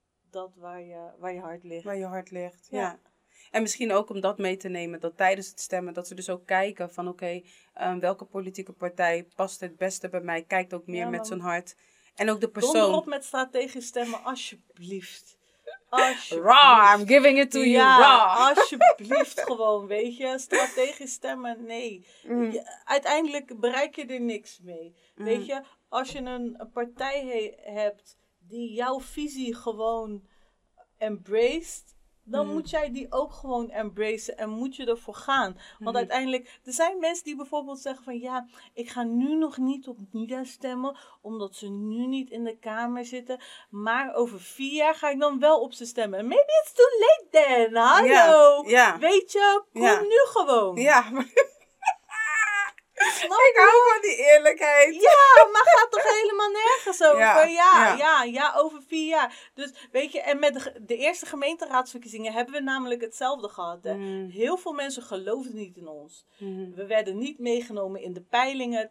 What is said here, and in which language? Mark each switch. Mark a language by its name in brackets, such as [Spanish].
[Dutch] dat waar je hart ligt. Waar je hart ligt, ja. En misschien ook om dat mee te nemen, dat tijdens het stemmen, dat ze dus ook kijken van oké, welke politieke partij past het beste bij mij, kijkt ook meer met zijn hart. En ook de persoon... Donder op met strategisch stemmen, alsjeblieft. [English] Raw, I'm giving it to you, raw. [Dutch] Alsjeblieft gewoon, weet je. Strategisch stemmen, nee. Uiteindelijk bereik je er niks mee. Weet je, als je een partij hebt... die jouw visie gewoon embraced, dan moet jij die ook gewoon embracen en moet je ervoor gaan. Want uiteindelijk, er zijn mensen die bijvoorbeeld zeggen van ja, ik ga nu nog niet op Nida stemmen, omdat ze nu niet in de kamer zitten, maar over 4 jaar ga ik dan wel op ze stemmen. [English] Maybe it's too late then, [Dutch] hallo. Weet je, kom nu gewoon. Ja, snap ik hou van die eerlijkheid. Ja, maar gaat toch helemaal nergens over. Over 4 jaar. Dus weet je, en met de eerste gemeenteraadsverkiezingen hebben we namelijk hetzelfde gehad. Hè. Mm. Heel veel mensen geloofden niet in ons. Mm. We werden niet meegenomen in de peilingen.